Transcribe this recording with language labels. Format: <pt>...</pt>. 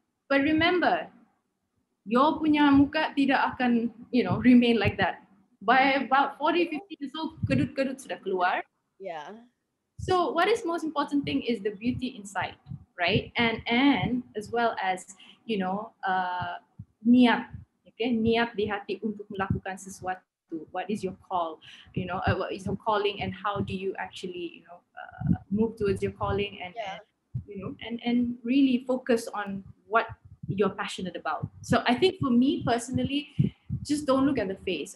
<en>But remember, your</en> <ms>punya muka tidak akan,</ms> <en>you know, remain like that. By about 40, 50 years old,</en> <ms>kedut-kedut sudah keluar.</ms> <en>Yeah. So what is most important thing is the beauty inside, right? And as well as, you know, niat, okay?</en> <ms>Niat di hati untuk melakukan sesuatu.</ms> <en>What is your call? You know, what is your calling, and how do you actually, you know, move towards your calling, and, you know, and really focus on what you're passionate about. So I think for me personally, just don't look at the face.</en>